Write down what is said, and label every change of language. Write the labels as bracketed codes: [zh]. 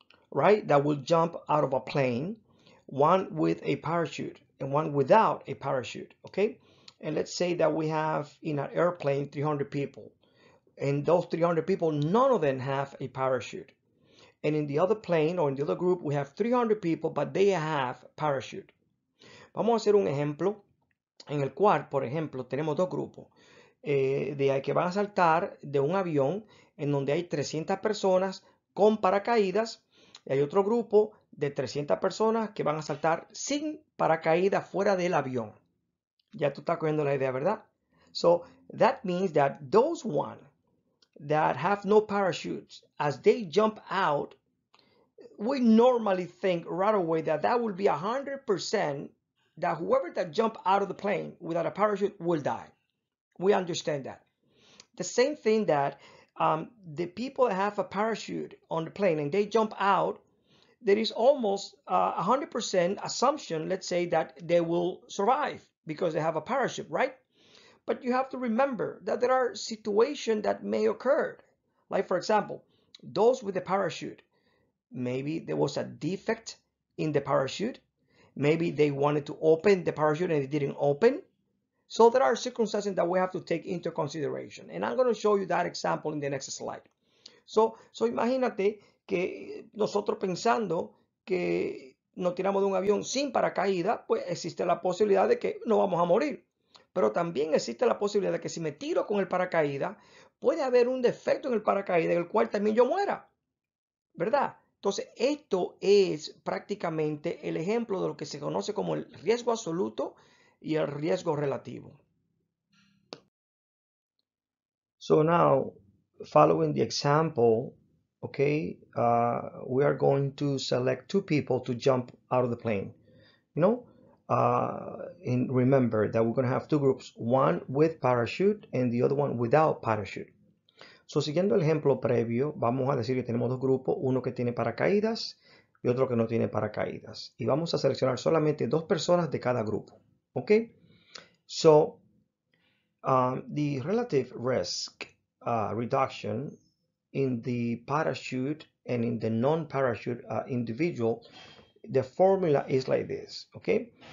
[en] right, that will jump out of a plane, one with a parachute and one without a parachute, okay? And let's say that we have in an airplane 300 people, and those 300 people, none of them have a parachute. And in the other plane or in the other group, we have 300 people, but they have parachute. [es] Vamos a hacer un ejemplo en el cual, por ejemplo, tenemos dos grupos de que van a saltar de un avión en donde hay 300 personas con paracaídas, y hay otro grupo de 300 personas que van a saltar sin paracaídas fuera del avión. Ya tú estás cogiendo la idea, ¿verdad? [en] So, that means that those one that have no parachutes, as they jump out, we normally think right away that that will be 100% that whoever that jump out of the plane without a parachute will die. We understand that. The same thing that the people that have a parachute on the plane and they jump out, there is almost a 100% assumption, let's say, that they will survive because they have a parachute, right? But you have to remember that there are situations that may occur. Like, for example, those with the parachute, maybe there was a defect in the parachute. Maybe they wanted to open the parachute and it didn't open. So there are circumstances that we have to take into consideration. And I'm going to show you that example in the next slide. [es] So imagínate que nosotros pensando que nos tiramos de un avión sin paracaídas, pues existe la posibilidad de que no vamos a morir. Pero también existe la posibilidad de que si me tiro con el paracaídas, puede haber un defecto en el paracaídas en el cual también yo muera. ¿Verdad? Entonces, esto es prácticamente el ejemplo de lo que se conoce como el riesgo absoluto y el riesgo relativo. [en] So now, following the example, okay, we are going to select two people to jump out of the plane. You know, and remember that we're going to have two groups, one with parachute and the other one without parachute. [es] So, siguiendo el ejemplo previo, vamos a decir que tenemos dos grupos, uno que tiene paracaídas y otro que no tiene paracaídas. Y vamos a seleccionar solamente dos personas de cada grupo. Okay? [en] So, the relative risk reduction in the parachute and in the non-parachute individual, the formula is like this. Okay?